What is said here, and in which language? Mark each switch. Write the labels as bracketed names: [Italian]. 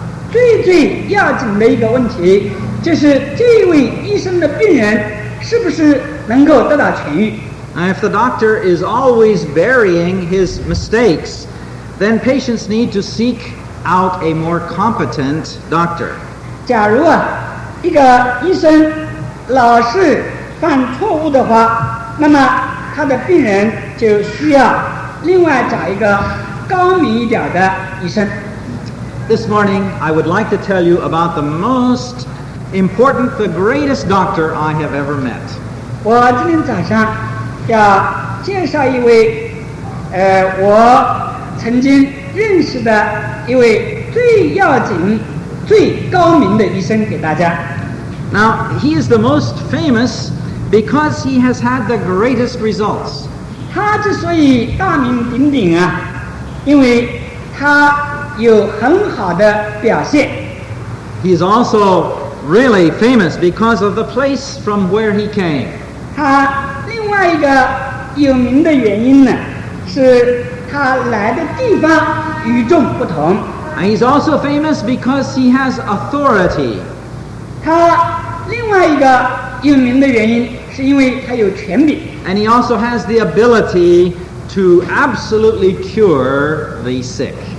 [Chinese] 最最要紧的一个问题就是这位医生的病人是不是能够得到痊愈。 [English] Now, if the doctor is always burying his mistakes, then patients need to seek out a more competent doctor. [Chinese] 假如啊, 一个医生, 老是, 犯错误的话, 那么他的病人就需要另外找一个高明一点的医生。 [English] This morning, I would like to tell you about the most important, the greatest doctor I have ever met. [Chinese] 我今天早上要介绍一位我曾经认识的一位最要紧、最高明的医生给大家。 [English] Now, he is the most famous because he has had the greatest results. [Chinese] 他之所以大名鼎鼎啊, 因为他有很好的表现。 [English] He is also really famous because of the place from where he came. [Chinese] 他另外一个有名的原因呢, 是他来的地方与众不同。 [English] And he's also famous because he has authority. [Chinese] 他另外一个有名的原因, 是因为他有权柄。 [English] And he also has the ability to absolutely cure the sick.